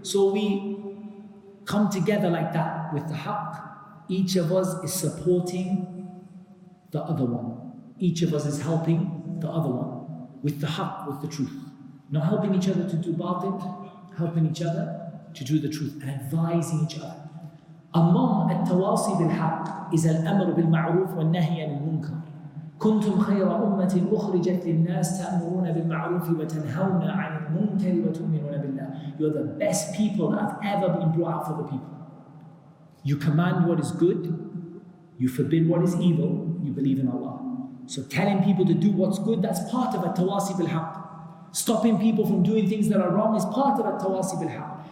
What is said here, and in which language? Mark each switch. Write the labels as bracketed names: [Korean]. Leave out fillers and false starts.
[English] So we come together like that with the haqq. Each of us is supporting the other one. Each of us is helping the other one with the haqq, with the truth. Not helping each other to do batil, helping each other to do the truth and advising each other. Among [Arabic] التواصي بالحق إذا الأمر بالمعروف والنهي عن المنكر. كنتم خير أمة أخرجت للناس تأمرون بالمعروف وتنهون عن المنكر وتؤمنون بالله. [English] You're the best people that have ever been brought out for the people. You command what is good, you forbid what is evil, you believe in Allah. So telling people to do what's good, that's part of a tawasi bilhaq. Stopping people from doing things that are wrong is part of a tawasi bilhaq.